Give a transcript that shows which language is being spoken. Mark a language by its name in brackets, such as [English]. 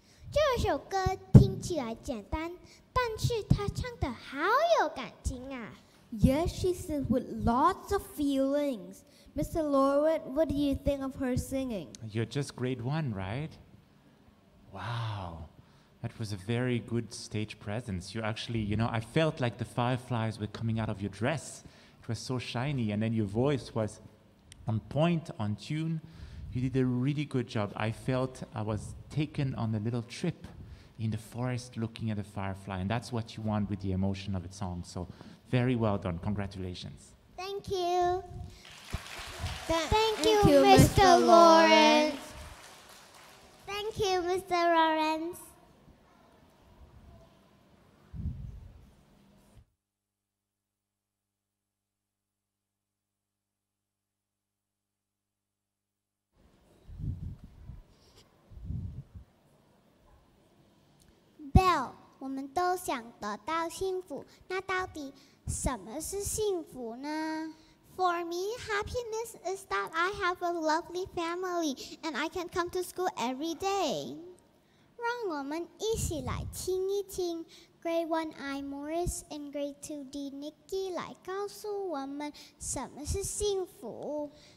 [Chinese] 这首歌听起来简单，但是他唱得好有感情啊。 [English] Yes, she sings with lots of feelings. Mr. Laureate, what do you think of her singing? You're just grade one, right? Wow, that was a very good stage presence. You actually, you know, I felt like the fireflies were coming out of your dress. It was so shiny, and then your voice was on point, on tune. You did a really good job. I felt I was taken on a little trip in the forest looking at a firefly, and that's what you want with the emotion of a song. So, very well done. Congratulations. Thank you. Thank you, Mr. Laureate. Thank you, Mr. Laureate. [Chinese] Bell, 我们都想得到幸福，那到底什么是幸福呢? [English] For me, happiness is that I have a lovely family and I can come to school every day. [Chinese] 让我们一起来听一听 Grade 1 I Morris and Grade 2 D Nikki 来告诉我们什么是幸福。